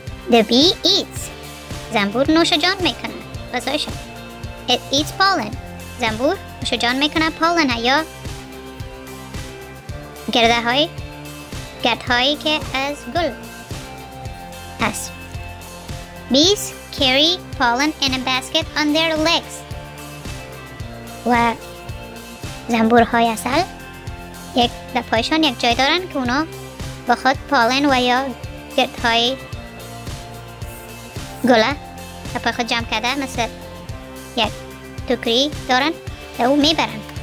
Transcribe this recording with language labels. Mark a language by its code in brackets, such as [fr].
[en] The bee eats. [fa] زنبور نوشه جان میکنه. غذایش. [en] It eats pollen. [fa] زنبور نوشه جان میکنه پالن یا گردهایی که از گل هست. [en] Bees carry pollen in a basket on their legs. [fa] و زنبورهای عسل یک در پایشان یک جای دارن که اونا با خود پالن و یا گردهای گله در پای خود جمع کرده، مثل یک تکری دارن در او میبرن.